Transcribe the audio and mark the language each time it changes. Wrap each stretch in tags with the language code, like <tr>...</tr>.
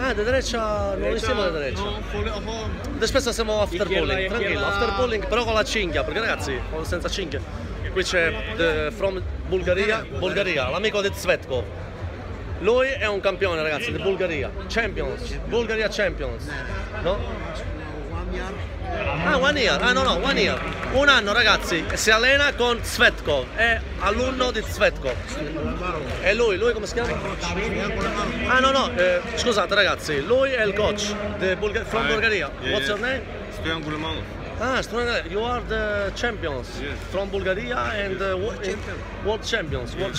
<es>Ah, de derecha, no lo hicimos de derecha. No, después hacemos</es> <en>after bullying,</en> <es>tranquilo.</es> <en>After bullying,</en> <it>però con la cinghia, perché ragazzi, senza cinghia. Qui c'è</it> <en>from Bulgaria,</en> <it>l'amico di Svetko. Lui è un campione, ragazzi, di Bulgaria.</it> <en>Champions, Bulgaria Champions.</en> <it>No?</it> <en>One year.</en> <it>Un anno, ragazzi, si allena con Svetko, è alunno di Svetko. E lui come si chiama? Scusate ragazzi, lui è il coach</it> <en>from Bulgaria. What's your name? Stoyan Gulemanov. Ah, Stoyan, you are the champions from Bulgaria and world champions.</en>